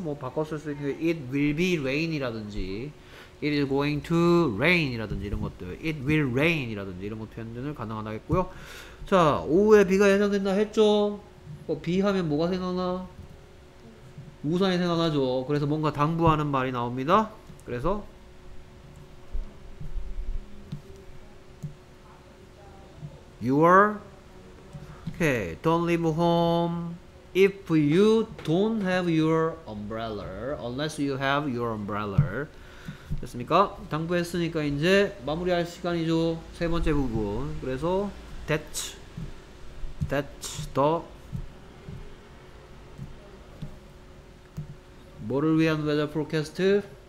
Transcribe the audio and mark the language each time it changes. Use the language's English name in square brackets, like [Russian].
[Korean] 뭐 바꿨을 수 있는 게 [English] it will be rain이라든지 it is going to rain이라든지 [Korean] 이런 것들. [English] It will rain [Korean] 이라든지 이런 것도 현재는 가능하다겠고요. 자, 오후에 비가 예상된다 했죠? 비 하면 뭐가 생각나? 우산이 생각나죠. 그래서 뭔가 당부하는 말이 나옵니다. [English] 그래서 Okay, don't leave home if you don't have your umbrella. Unless you have your umbrella. 됐습니까? [Korean] 당부했으니까 이제 마무리할 시간이죠. 세 번째 부분. 그래서 [English] that's the [Korean] 뭐를 위한 weather forecast?